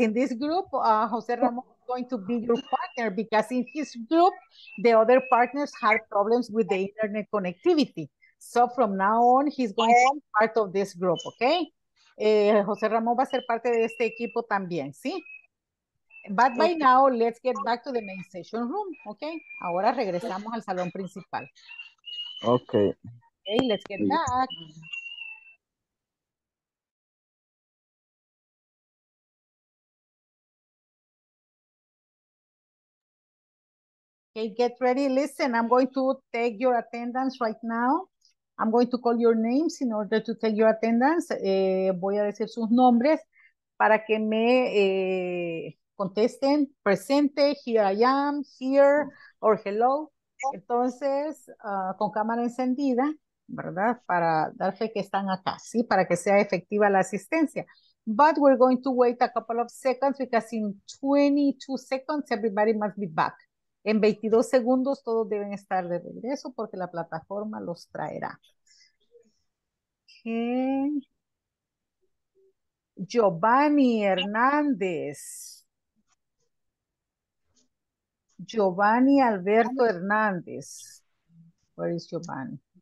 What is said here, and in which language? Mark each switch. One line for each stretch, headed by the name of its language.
English: In this group, José Ramón is going to be your partner because in his group, the other partners had problems with the internet connectivity. So from now on, he's going to be part of this group, okay?
Spanish: José Ramón va a ser parte de este equipo también, ¿sí?
English: But by now, let's get back to the main session room, okay?
Spanish: Ahora regresamos al salón principal.
English: Okay. Okay, let's get back. Okay, get ready. Listen, I'm going to take your attendance right now. I'm going to call your names in order to take your attendance.
Spanish: Voy a decir sus nombres para que me contesten.
English: Presente, here I am, here, or hello.
Spanish: Entonces, con cámara encendida, ¿verdad? Para dar fe que están acá, ¿sí? Para que sea efectiva la asistencia.
English: But we're going to wait a couple of seconds because in 22 seconds, everybody must be back.
Spanish: En 22 segundos todos deben estar de regreso porque la plataforma los traerá.
English: Okay. Giovanni Hernández. Giovanni Alberto Hernández. Where is Giovanni?